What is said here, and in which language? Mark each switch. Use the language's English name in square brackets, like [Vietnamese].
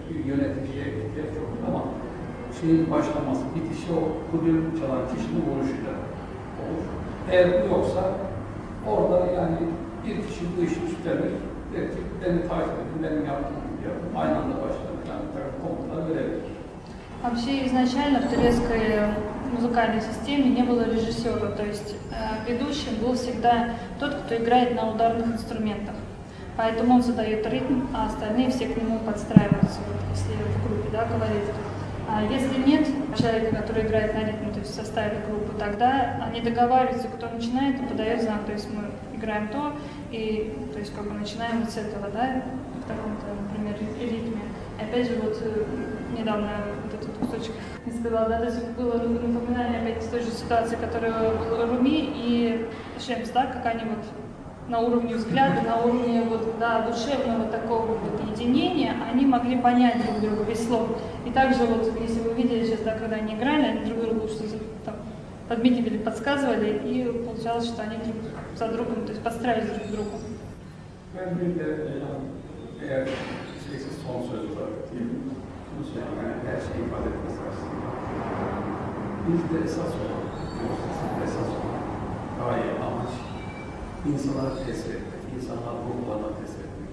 [Turkish] Bir yöneticiye ihtiyaç çok olur ama şeyin başlaması, bitişi o kudüm çalan kişinin vuruşuyla olur. Eğer bu yoksa orada yani bir kişi bu işi üstlenir. Der ki beni takip edin, benim yaptığım gibi yapın. Aynı anda başlar. Yani tabii komutlar verebilir. [Russian] Вообще изначально в турецкой музыкальной системе не было режиссера, то есть ведущим был всегда тот, кто играет на ударных инструментах. Поэтому он задает ритм, а остальные все к нему подстраиваются, вот, если в группе, да, говорить. А если нет человека, который играет на ритм, то есть в составе группы, тогда они договариваются, кто начинает и подает знак, то есть мы играем то, и то есть как бы начинаем вот с этого, да, в таком-то, например, ритме. Опять же, вот недавно вот этот кусочек не сказала, да, то есть было напоминание опять той же ситуации, которая была Руми и Шемс, да, как они вот на уровне взгляда, на уровне вот, да, душевного такого вот единения, они могли понять друг друга весь слог. И также вот, если вы видели сейчас, да, когда они играли, они друг другу что-то там подмигивали, подсказывали, и получалось, что они друг за другом, то есть подстраивались друг к другу. [Turkish] Eksiz son söz olarak diyelim. Bunu söyleyeyim, yani her şeyi ifade etmesi açısından. Biz de esas olan, yoksa esas olan, gaye, amaç, insanlara tesir etmek, insanlar ruhlarına tesir etmek.